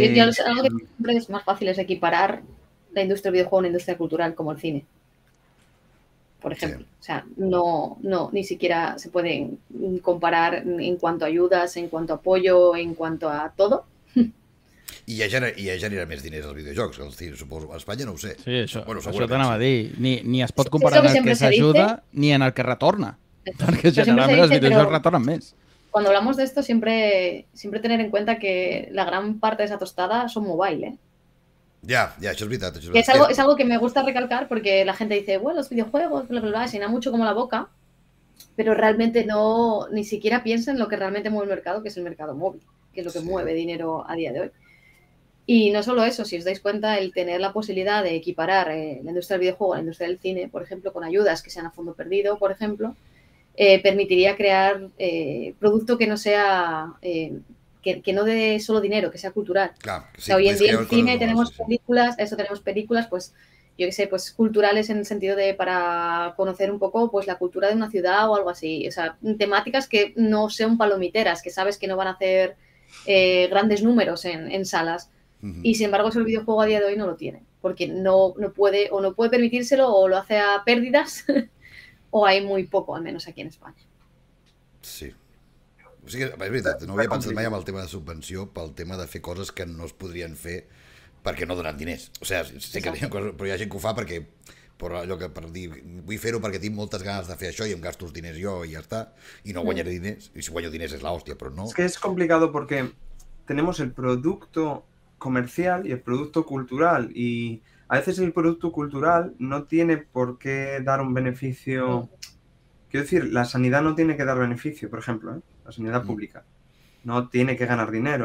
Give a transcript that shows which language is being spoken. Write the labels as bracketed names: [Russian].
[Spanish] Yo algo que siempre es más fácil es equiparar la industria del videojuego a una industria cultural como el cine, por ejemplo. Sí. O sea, no, ni siquiera se pueden comparar en cuanto a ayudas, en cuanto a apoyo, en cuanto a todo. [Catalan] I ja genera més diners als videojocs, el cine, suposo. A Espanya no ho sé. Sí, això t'anava a dir. Ni es pot comparar en el que s'ajuda ni en el que retorna. Perquè generalment els videojocs retornen més. [Spanish] Cuando hablamos de esto, siempre tener en cuenta que la gran parte de esa tostada son mobile, ¿eh? Ya, eso es verdad. Es algo que me gusta recalcar porque la gente dice, bueno, los videojuegos, bla, bla, bla, llena mucho como la boca, pero realmente no, ni siquiera piensa en lo que realmente mueve el mercado, que es el mercado móvil, que es lo que mueve dinero a día de hoy. Y no solo eso, si os dais cuenta, el tener la posibilidad de equiparar la industria del videojuego a la industria del cine, por ejemplo, con ayudas que sean a fondo perdido, por ejemplo, permitiría crear producto que no sea que no dé solo dinero, que sea cultural. Claro, sí, o sea, hoy en día en cine tenemos películas, eso tenemos películas, pues yo qué sé, pues culturales en el sentido de para conocer un poco pues la cultura de una ciudad o algo así. O sea, temáticas que no sean palomiteras, que sabes que no van a hacer grandes números en salas. Uh-huh. Y sin embargo, el videojuego a día de hoy no lo tiene, porque no puede permitírselo, o lo hace a pérdidas. O hay muy poco, al menos aquí en España. Sí. [Catalan] O sigui, és veritat, no havia pensat mai en el tema de subvenció pel tema de fer coses que no es podrien fer perquè no donen diners. O sigui, sí que hi ha coses, però hi ha gent que ho fa perquè, per allò que per dir, vull fer-ho perquè tinc moltes ganes de fer això i em gasto els diners jo i ja està, i no guanyaré diners. I si guanyo diners és l'hòstia, però no. És que és complicat perquè [Spanish] tenemos el producto comercial y el producto cultural y a veces el producto cultural no tiene por qué dar un beneficio. Quiero decir, la sanidad no tiene que dar beneficio, por ejemplo, ¿eh? La sanidad pública no tiene que ganar dinero.